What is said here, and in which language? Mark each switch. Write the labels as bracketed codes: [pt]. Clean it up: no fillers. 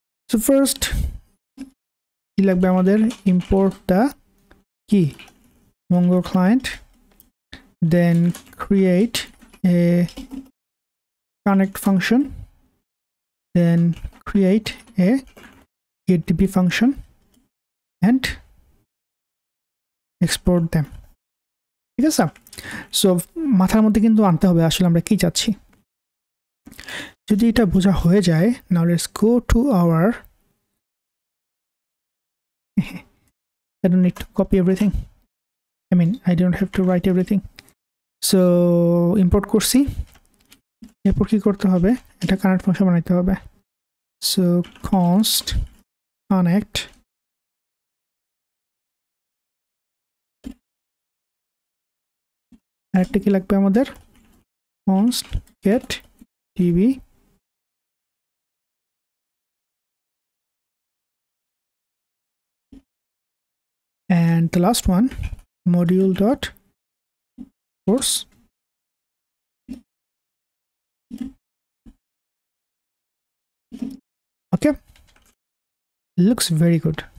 [en] so first [bn] কী লাগবে আমাদের, [en] ইম্পোর্টটা কি Mongo client, then create a connect function, then create a get DB function and export them. [bn] ঠিক আছে, so মাথার মধ্যে কিন্তু আনতে হবে আসলে আমরা কী চাচ্ছি। যদি এটা বোঝা হয়ে যায়, [en] Now let's go to our, I don't need to copy everything. I mean, I don't have to write everything. So, import করছি। [bn] এরপর কি করতে হবে? এটা connect function বানাইতে হবে। [en] So, const connect [bn] একটা কি লাগবে আমাদের? [en] Const get db and the last one module dot course okay looks very good.